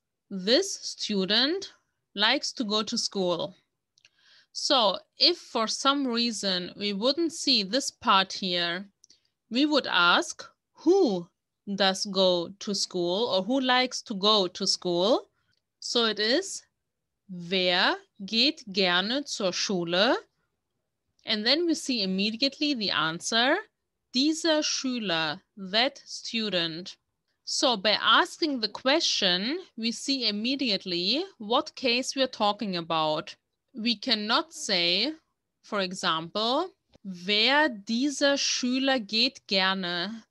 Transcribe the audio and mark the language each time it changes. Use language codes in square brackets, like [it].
[en] This student likes to go to school. So if for some reason we wouldn't see this part here, we would ask who does go to school or who likes to go to school. So it is [de] wer geht gerne zur Schule? [en] And then we see immediately the answer, [de] dieser Schüler, [en] that student. So by asking the question, we see immediately what case we are talking about. We cannot say, for example, [de] wer dieser Schüler geht gerne?